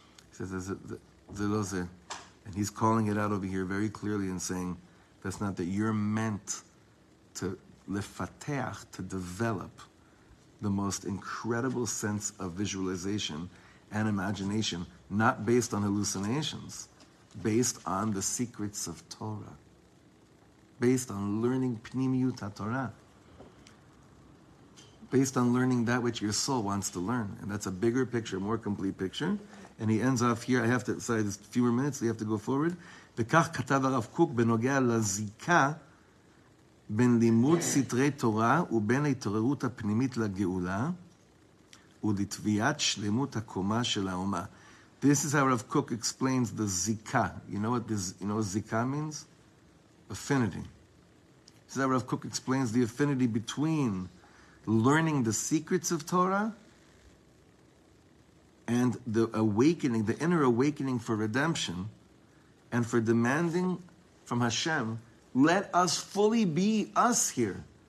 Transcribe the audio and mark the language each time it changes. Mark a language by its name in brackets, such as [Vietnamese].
[English] He says, Zeloze, and he's calling it out over here very clearly and saying, that's not that you're meant to lefateach, to develop the most incredible sense of visualization and imagination, not based on hallucinations, based on the secrets of Torah, based on learning Pnimiyut HaTorah, based on learning that which your soul wants to learn. And that's a bigger picture, more complete picture. And he ends off here, I have to, sorry, just a few more minutes, we have to go forward. [Hebrew] V'kach katav Rav Kook benogea lazika בין לימוד סתרי תורה ובין ההתעוררות הפנימית לגאולה ולתביעת שלמות הקומה של האומה. [English] This is how Rav Kook explains the zika. You know what this, you know what zika means? Affinity. This is how Rav Kook explains the affinity between learning the secrets of Torah and the awakening, the inner awakening for redemption and for demanding from Hashem, let us fully be us here.